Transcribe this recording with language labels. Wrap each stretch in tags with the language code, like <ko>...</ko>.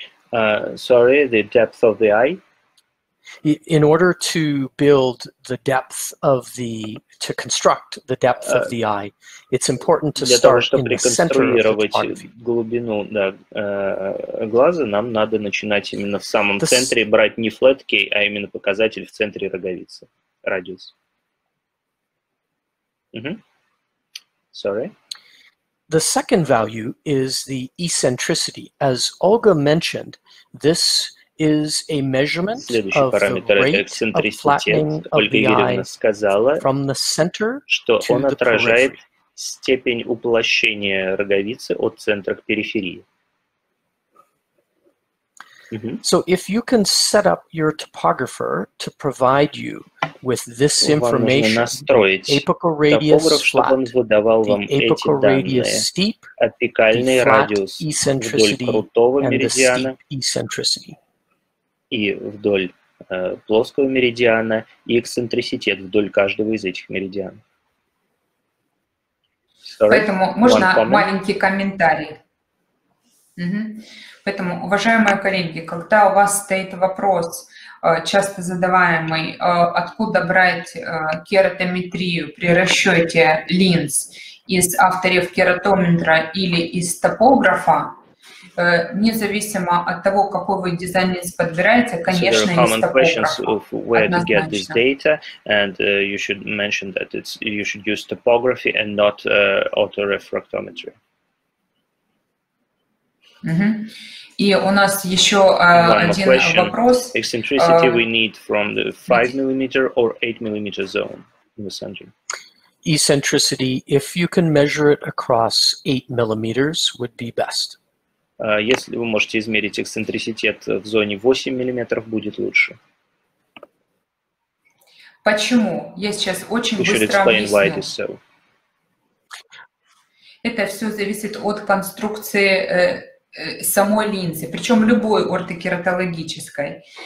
<en>The depth of the eye? In order to build the depth of the, to construct the depth of the eye, it's important to start in the center of the topography.</en> <ru>Глубину, да, глаза, нам надо начинать именно в самом центре, брать не flat K, а именно показатель в центре роговицы, радиус.</ru> <en>The second value is the eccentricity. As Olga mentioned, this is a measurement of the rate of flattening of the eye from the center to the periphery.</en> <ru>Отражает степень уплощения роговицы от центра к периферии.</ru> <en>So if you can set up your topographer to provide you with this information, the apical radius flat, the apical radius steep, the flat eccentricity, and the steep eccentricity.</en> <ru>И вдоль плоского меридиана и эксцентриситет вдоль каждого из этих меридианов. Поэтому можно маленький комментарий. Поэтому, уважаемые коллеги, когда у вас стоит вопрос, часто задаваемый, откуда брать кератометрию при расчете линз из авторев кератометра или из топографа, независимо от того, какой вы дизайнер подбираете, конечно, есть</ru> <en>common questions of where to get this data, and you should mention that it's you should use topography and not autorefractometry.</en> <ru>И у нас еще один вопрос.</ru> <en>Eccentricity we need from the 5 millimeter or 8 millimeter zone in the center. Eccentricity, if you can measure it across 8 millimeters, would be best.</en> <ru>Если вы можете измерить эксцентриситет в зоне 8 миллиметров, будет лучше. Почему? Я сейчас очень быстро объясню.</ru> <en>So.</en> <ru>Это все зависит от конструкции самой линзы, причем любой ортокератологической.</ru>